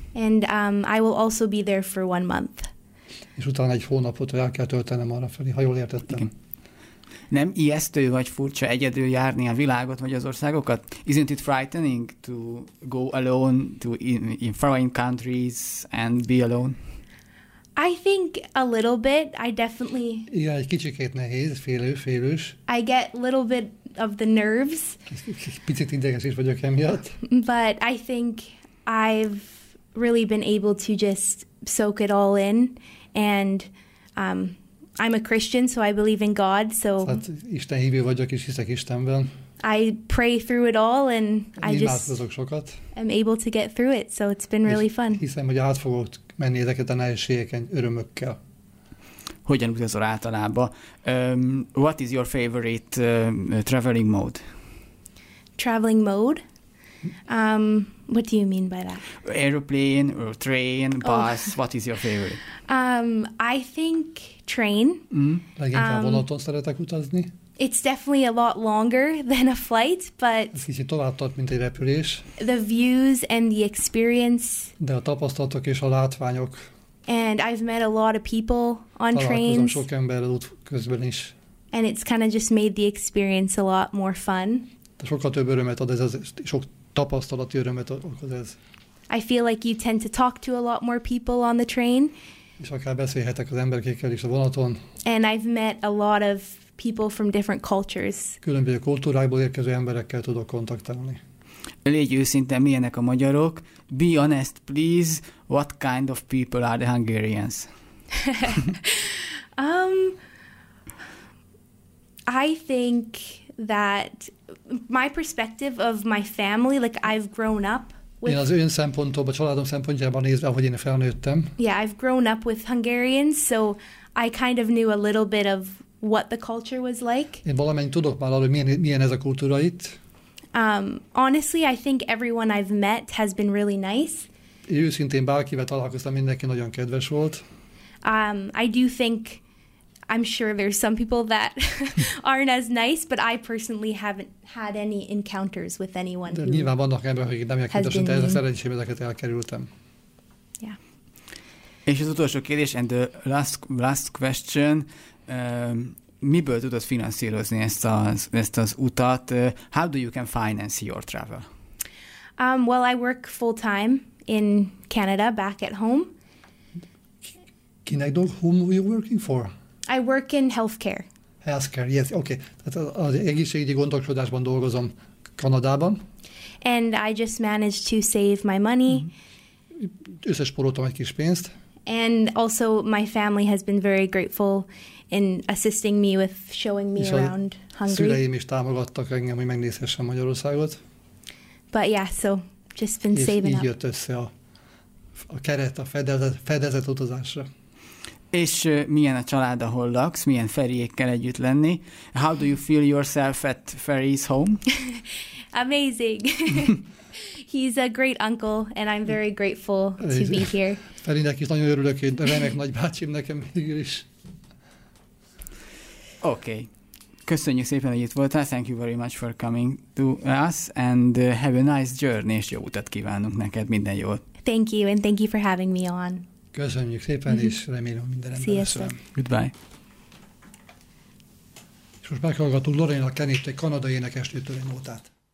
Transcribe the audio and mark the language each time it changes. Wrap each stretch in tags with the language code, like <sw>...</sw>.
<en>And I will also be there for 1 month.</en> <hu>És utána egy hónapot el kell töltenem arra felé, ha jól értettem. Igen. Nem ijesztő vagy furcsa egyedül járni a világot vagy az országokat?</hu> <en>Isn't it frightening to go alone to in foreign countries and be alone? I think a little bit. I definitely...</en> <hu>Igen, egy kicsikét nehéz, félős.</hu> <en>I get a little bit of the nerves.</en> <hu>Picit ideges is vagyok emiatt.</hu> <en>But I think I've really been able to just soak it all in and... I'm a Christian, so I believe in God, so...</en> <hu>Hát Isten hívő vagyok, és hiszek Istenben.</hu> <en>I pray through it all, and I just...</en> <hu>Imádkozok sokat.</hu> <en>I'm able to get through it, so it's been really fun.</en> <hu>Hiszem, hogy át fogok menni ezeket a nehézségeken örömökkel. Hogyan utazol általában?</hu> <en>What is your favorite traveling mode? Traveling mode? What do you mean by that? Aeroplane, or train, bus, what is your favorite? I think... train.</en> <hu>Leginkább vonaton szeretek utazni.</hu> <en>It's definitely a lot longer than a flight, but</en> <hu>ez kicsit tovább tart, mint egy repülés.</hu> <en>The views and the experience.</en> <hu>De a tapasztalatok és a látványok.</hu> <en>And I've met a lot of people on trains.</en> <hu>Találkozom sok emberrel út közben is.</hu> <en>And it's kind of just made the experience a lot more fun.</en> <hu>De sokkal több örömet ad ez, sok tapasztalati örömet okoz ez.</hu> <en>I feel like you tend to talk to a lot more people on the train.</en> <hu>És akár beszélhetek az emberekkel is a vonaton.</hu> <en>And I've met a lot of people from different cultures.</en> <hu>Különböző kultúrákból érkező emberekkel tudok kontaktálni. Légy őszinte, milyenek a magyarok?</hu> <en>Be honest, please. What kind of people are the Hungarians? I think that my perspective of my family, like I've grown up.</en> <hu>Én az ön szempontból, a családom szempontjában nézve, ahogy én felnőttem.</hu> <en>Yeah, I've grown up with Hungarians, so I kind of knew a little bit of what the culture was like.</en> <hu>Én valamennyit tudok már arról, milyen ez a kultúra itt.</hu> <en>Honestly, I think everyone I've met has been really nice.</en> <hu>Őszintén bárkivel találkoztam, mindenki nagyon kedves volt.</hu> <en>I do think, I'm sure there's some people that aren't as nice, but I personally haven't had any encounters with anyone.</en> <hu>De nyilván vannak emberek, akik nem ilyen kedvesek, de ez a szerencsém, ezeket elkerültem.</hu> <en>Yeah.</en> <hu>És az utolsó kérdés,</hu> <en>and the last question,</en> <hu>miből tudod finanszírozni ezt az utat?</hu> <en>How do you can finance your travel? Well, I work full-time in Canada, back at home.</en> <hu>Kinek dolg,</hu> <en>whom are you working for? I work in healthcare. healthcare. Yes, okay.</en> <hu>Tehát az egészségügyi gondoskodásban dolgozom Kanadában.</hu> <en>And I just managed to save my money.</en> <hu>Összesporoltam egy kis pénzt.</hu> <en>And also my family has been very grateful in assisting me with showing me around Hungary.</en> <hu>Szüleim is támogattak engem, hogy megnézhessem Magyarországot.</hu> <en>But yeah, so just been</en> <hu>és</hu> <en>saving up.</en> <hu>És így jött össze a keret, a fedezett utazásra. És milyen a család, ahol laksz? Milyen Feriékkel együtt lenni?</hu> <en>How do you feel yourself at Feri's home? Amazing. He's a great uncle, and I'm very grateful to be here.</en> <hu>Ferinek is nagyon örülök, én remek nagybácsim nekem végül is.</hu> <en>Okay.</en> <hu>Köszönjük szépen, hogy itt voltál.</hu> <en>Thank you very much for coming to us, and have a nice journey,</en> <hu>és jó utat kívánunk neked. Minden jót.</hu> <en>Thank you, and thank you for having me on.</en> <hu>Köszönjük szépen, és remélem minden rendben lesz.</hu> <en>Goodbye.</en> <hu>És most meghallgatunk Lorena Kennett, egy kanadai énekesnőtől egy nótát.</hu>